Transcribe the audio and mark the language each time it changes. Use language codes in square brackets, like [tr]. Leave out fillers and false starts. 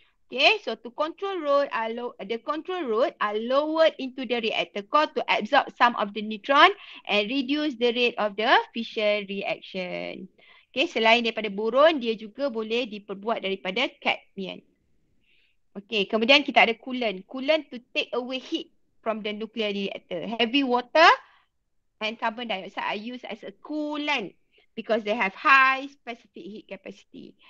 [en] Okay, so to control root, the control root are lowered into the reactor core to absorb some of the neutron and reduce the rate of the fission reaction. [ms] Okay, selain daripada boron, dia juga boleh diperbuat daripada cadmium. Okay, kemudian kita ada coolant. [en] Coolant to take away heat from the nuclear reactor. Heavy water and carbon dioxide are used as a coolant because they have high specific heat capacity.